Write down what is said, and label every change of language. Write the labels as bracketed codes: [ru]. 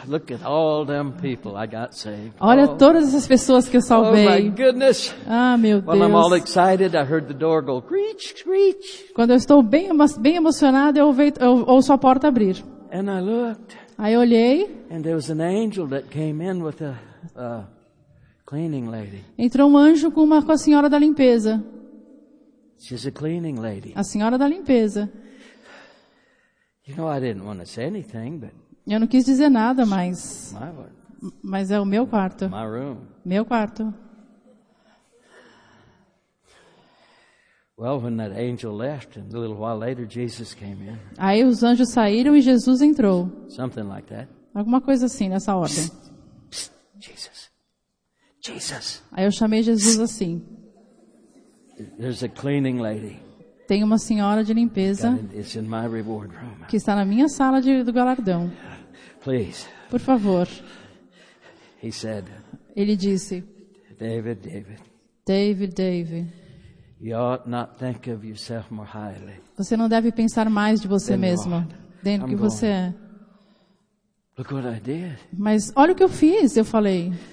[en] Look at all them people I got saved. [pt] Olha todas essas pessoas que eu salvei. [en] Oh my goodness. [pt] Ah, meu Deus. [en] While I'm all excited, I heard the door go creech, creech. [pt] Quando eu estou bem emocionado, eu ouço a porta abrir. [en] And I looked. [pt] Aí eu olhei. [en] And there was an angel that came in with a cleaning lady. [pt] Entrou um anjo com a senhora da limpeza. [en] She's a cleaning lady. [pt] A senhora da limpeza. [en] You know, I didn't want to say anything, but [pt] eu não quis dizer nada, mas é o meu quarto. [en] My room. [pt] Meu quarto. [en] Well, when that angel left, and a little while later, Jesus came in. [pt] Aí os anjos saíram e Jesus entrou. [en] Something like that. [pt] Alguma coisa assim nessa ordem. [en] Jesus. Jesus. [pt] Aí eu chamei Jesus assim. [en] There's a cleaning lady. [pt] Tem uma senhora de limpeza que está na minha sala do galardão. Por favor. Ele disse, [en] David, David. [pt] David, David. [en] You ought not think of yourself more highly. [pt] Você não deve pensar mais de você mesmo, dentro do que você é. [en] Look what I did. [pt] Mas olha o que eu fiz, eu falei.